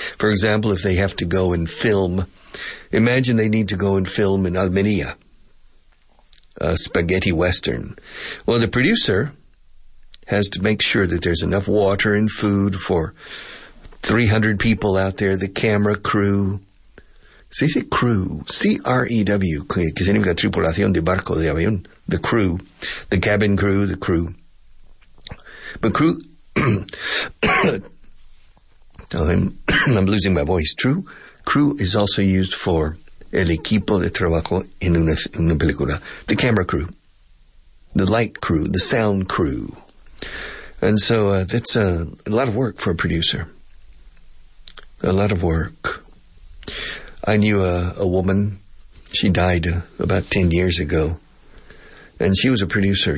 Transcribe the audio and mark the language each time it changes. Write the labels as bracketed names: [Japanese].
[English] For example, if they have to go and film, imagine they need to go and film in Almeria, a spaghetti western. Well, the producer has to make sure that there's enough water and food for 300 people out there, the camera crew. [Spanish] Se dice crew, C-R-E-W, que significa tripulación de barco, de avión. [English] The crew, the cabin crew, the crew. But crew, I'm losing my voice. True, crew is also used for [Spanish] el equipo de trabajo en una película. [English] The camera crew, the light crew, the sound crew. And so that's a lot of work for a producer. A lot of work. I knew a woman. She died about 10 years ago. And she was a producer.